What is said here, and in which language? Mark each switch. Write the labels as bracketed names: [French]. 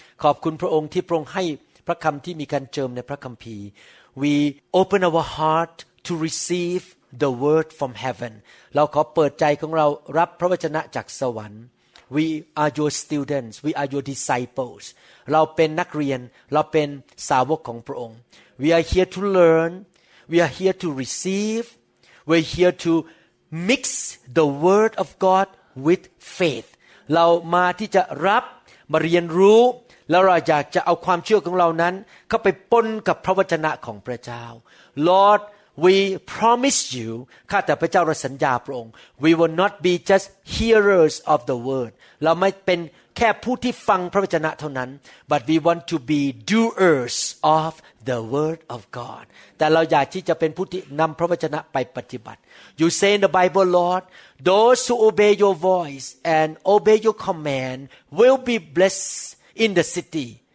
[Thai] ขอบคุณพระองค์ที่ทรงให้พระคำที่มีการเจิมในพระคัมภีร์ [English] We open our heart to receive the word from heaven. [Thai] เราขอเปิดใจของเรารับพระวจนะจากสวรรค์ [English] We are your students. We are your disciples. [Thai] เราเป็นนักเรียนเราเป็นสาวกของพระองค์ [English] We are here to learn. We are here to receive. We're here to mix the word of God with faith. [Thai] เรามาที่จะรับมาเรียนรู้แล้วเราอยากจะเอาความเชื่อของเรานั้นเข้าไปปนกับพระวจนะของพระเจ้า [English] Lord, we promise you. [Thai] ข้าแต่พระเจ้าเราสัญญาพระองค์ [English] We will not be just hearers of the word. [Thai] เราไม่เป็นแค่ผู้ที่ฟังพระวจนะเท่านั้น [English] but we want to be doers of the word of God [Thai] แต่เราอยากที่จะเป็นผู้ที่นำพระวจนะไปปฏิบัติ [English] You say in the Bible Lord those who obey your voice and obey your command will be blessed in the city